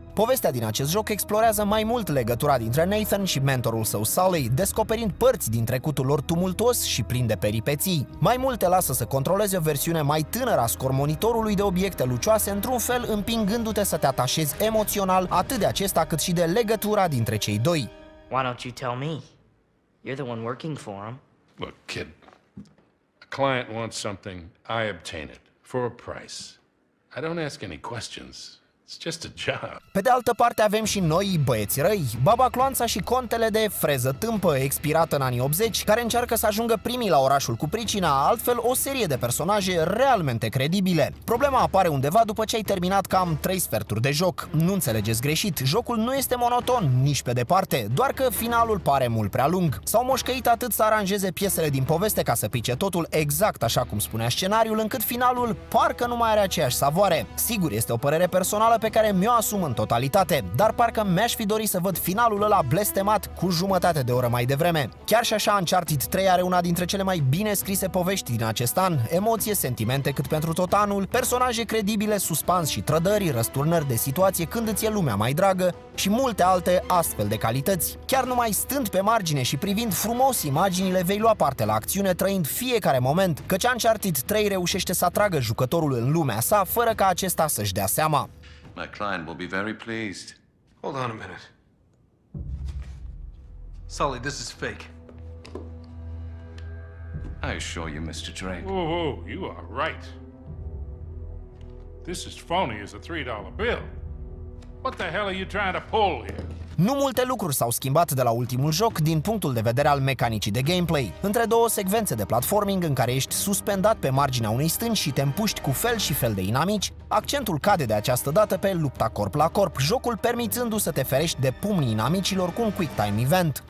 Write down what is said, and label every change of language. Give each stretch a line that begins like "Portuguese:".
Romanian: Povestea din acest joc explorează mai mult legătura dintre Nathan și mentorul său Sully, descoperind părți din trecutul lor tumultuos și plin de peripeții. Mai multe lasă să controleze o versiune mai tânără a scormonitorului de obiecte lucioase, într-un fel împingându-te să te atașezi emoțional atât de acesta cât și de legătura dintre cei doi.
English: Why don't you tell me? You're the one working for him. Look, kid. A client wants something, I obtain it for a price. I don't ask any questions.
Romanian: Pe de altă parte avem și noi băieți răi, Baba Cloanța și contele de freză tâmpă expirat în anii 80, care încearcă să ajungă primii la orașul cu pricina, altfel o serie de personaje realmente credibile. Problema apare undeva după ce ai terminat cam 3 sferturi de joc. Nu înțelegeți greșit, jocul nu este monoton, nici pe departe, doar că finalul pare mult prea lung. S-au moșcăit atât să aranjeze piesele din poveste ca să pice totul exact așa cum spunea scenariul, încât finalul parcă nu mai are aceeași savoare. Sigur, este o părere personală pe care mi-o asum în totalitate, dar parcă mi-aș fi dorit să văd finalul ăla blestemat cu jumătate de oră mai devreme. Chiar și așa, Uncharted 3 are una dintre cele mai bine scrise povești din acest an, emoție, sentimente cât pentru tot anul, personaje credibile, suspans și trădări, răsturnări de situație când îți e lumea mai dragă și multe alte astfel de calități. Chiar numai stând pe margine și privind frumos imaginile, vei lua parte la acțiune trăind fiecare moment, căci Uncharted 3 reușește să atragă jucătorul în lumea sa fără ca acesta să-și dea seama.
English: My client will be very pleased. Hold on a minute. Sully, this is fake. I assure you, Mr. Drake. Whoa, whoa, you are right. This is phony as a $3 bill. What the hell are you trying to pull here?
Romanian: Nu multe lucruri s-au schimbat de la ultimul joc din punctul de vedere al mecanicii de gameplay. Între două secvențe de platforming în care ești suspendat pe marginea unei stânci și te împuști cu fel și fel de inamici, accentul cade de această dată pe lupta corp la corp, jocul permițându-se să te ferești de pumnii inamicilor cu un quick time event.